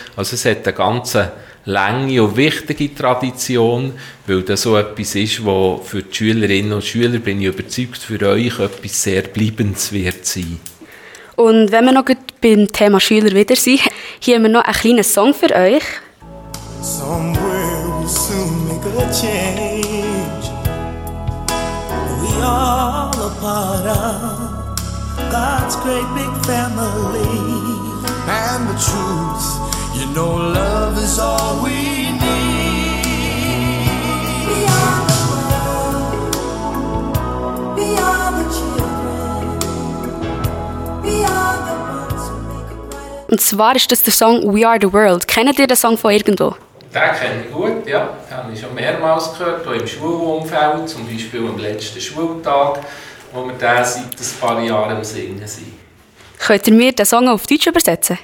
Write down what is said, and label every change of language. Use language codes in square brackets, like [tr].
[de] Also es hat eine ganze lange und wichtige Tradition, weil das so etwas ist, was für die Schülerinnen und Schüler, bin ich überzeugt, für euch etwas sehr Bleibendes wird sein. Und wenn wir noch gut beim Thema Schüler wieder sind, hier haben wir noch einen kleinen Song für euch. [en] Somewhere we'll soon make a change. We all a part of God's great big family. And the truth, you know love is all we need. We are the world. We are the children. We are the ones who make a brighter. [de] Und zwar ist das der Song We Are the World. Kennt ihr den Song von irgendwo? Den kenne ich gut, ja. Den habe ich schon mehrmals gehört, auch im Schulumfeld, zum Beispiel am letzten Schultag, wo wir den seit ein paar Jahren singen sind. Könnt ihr mir den Song auf Deutsch übersetzen?